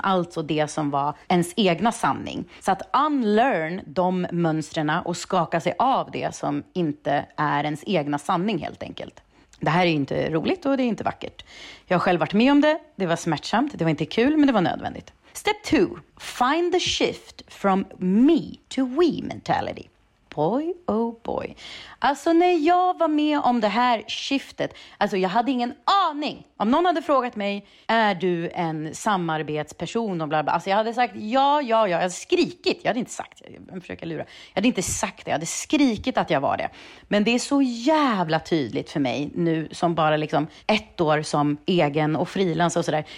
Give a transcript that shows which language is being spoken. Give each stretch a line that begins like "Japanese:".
Swedish: Alltså det som var ens egna sanning. Så att unlearn de mönstren och skaka sig av det som inte är ens egna sanning helt enkelt. Det här är inte roligt och det är inte vackert. Jag har själv varit med om det. Det var smärtsamt. Det var inte kul, men det var nödvändigt.
English: Step 2. Find the shift from me to we mentality. Boy, oh boy.
Swedish: Alltså när jag var med om det här skiftet. Alltså jag hade ingen aning. Om någon hade frågat mig, är du en samarbetsperson? Och bla bla. Alltså jag hade sagt ja. Jag hade skrikit. Jag hade inte sagt det. Jag försöker lura. Jag hade inte sagt det. Jag hade skrikit att jag var det. Men det är så jävla tydligt för mig nu som bara liksom ett år som egen och frilans och sådär.